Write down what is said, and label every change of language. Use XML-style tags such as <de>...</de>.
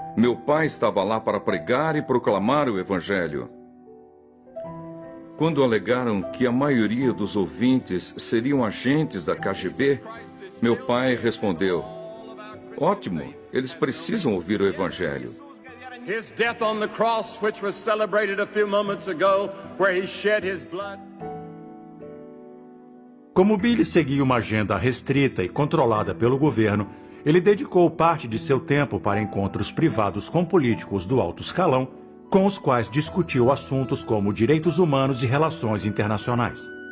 <pt>Meu pai estava lá para pregar e proclamar o Evangelho. Quando alegaram que a maioria dos ouvintes seriam agentes da KGB, meu pai respondeu: ótimo, eles precisam ouvir o Evangelho.</pt> <en>His death on the cross, which was celebrated a few moments ago, where he shed his blood.</en> <pt>Como Billy seguia uma agenda restrita e controlada pelo governo, ele dedicou parte de seu tempo para encontros privados com políticos do alto escalão, com os quais discutiu assuntos como direitos humanos e relações internacionais.</pt>